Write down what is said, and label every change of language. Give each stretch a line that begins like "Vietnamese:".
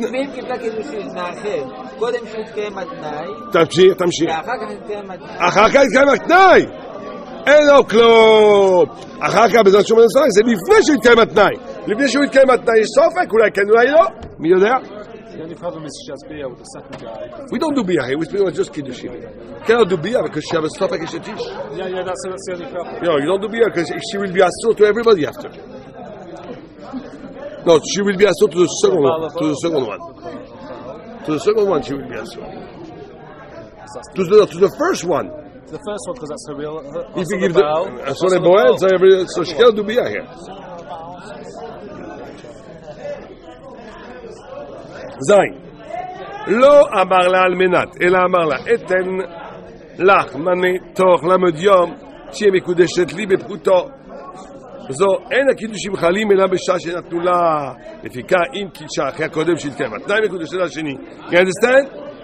Hebrew: ואם קיבלה קידושים מאחר, קודם שהוא קיים התנאי... תמשיך. ואחר כך יתקיים התנאי. אחר כך יתקיים התנאי! אין לו כלום! אחר כך, בזאת שהוא מנסה, זה לפני שהוא יתקיים התנאי. לפני שהוא יתקיים התנאי, יש סופק, אולי כן, אולי לא, מי יודע?
English: The only problem is she has bia with the second guy. We don't do bia here, we're just kiddushim. Cannot do bia because she has a stopak and shetish. Yeah, that's the only problem. No, you don't do bia because she will be asur to everybody after. No, she will be asur to the second one. To the second one. To the second one she will be asur. To the first one. The first one because that's her real... If you give the... Asur and boel, so she cannot do bia here.
Hebrew: זין, לא אמר לה על מנת, אלא אמר לה, אתן לך מנה תוך למד יום, תהיה מקודשת לי בפרוטו. זו, אין הקידושים חלים אלא בשעה שנתנו לה, לפיכך אם קידשה אחרי הקודם שהתקיים, התנאי מקודשת השני.
English: You understand?